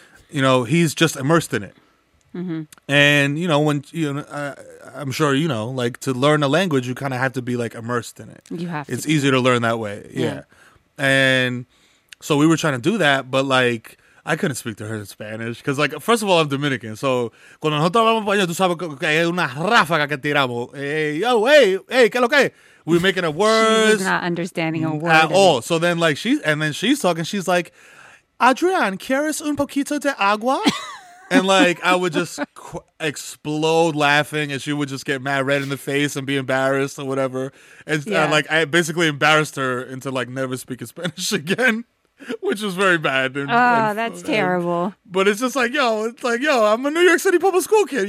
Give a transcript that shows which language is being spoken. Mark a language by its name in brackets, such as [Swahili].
[English] You know, he's just immersed in it. Mm-hmm. And, you know, when you know, I'm sure, you know, like to learn a language, you kind of have to be like immersed in it. You have to. It's easier to learn that way. Yeah. And so we were trying to do that. But like, I couldn't speak to her in Spanish because like, first of all, I'm Dominican. [Spanish] So cuando nosotros vamos para allá, tú sabes que hay una ráfaga que tiramos. [English] Hey, yo, hey, [Spanish] que lo que? [English] We're making it worse. She's not understanding a word at all. So then like she's talking. She's like, [Spanish] Adrian, ¿quieres un poquito de agua? [English] And like, I would just explode laughing, and she would just get mad red in the face and be embarrassed or whatever. And like, I basically embarrassed her into like never speaking Spanish again, which was very bad. That's terrible. But it's just like, yo, I'm a New York City public school kid.